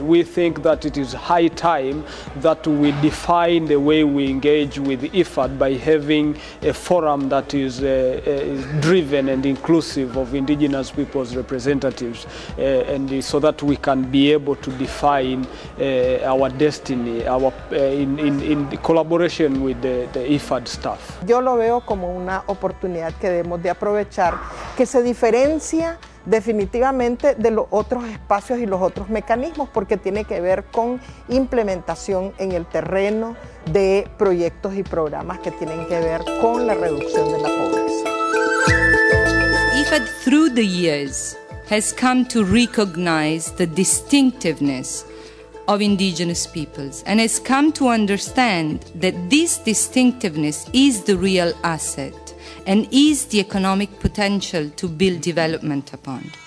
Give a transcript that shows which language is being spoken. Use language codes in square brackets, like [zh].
[en] We think that it is high time that we define the way we engage with IFAD by having a forum that is driven and inclusive of Indigenous peoples' representatives, and so that we can be able to define our destiny, in collaboration with the IFAD staff. [es] Yo lo veo como una oportunidad que debemos de aprovechar, que se diferencia definitivamente de los otros espacios y los otros mecanismos, porque tiene que ver con implementación en el terreno de proyectos y programas que tienen que ver con la reducción de la pobreza. [en] IFAD, through the years, has come to recognize the distinctiveness of indigenous peoples and has come to understand that this distinctiveness is the real asset and is the economic potential to build development upon.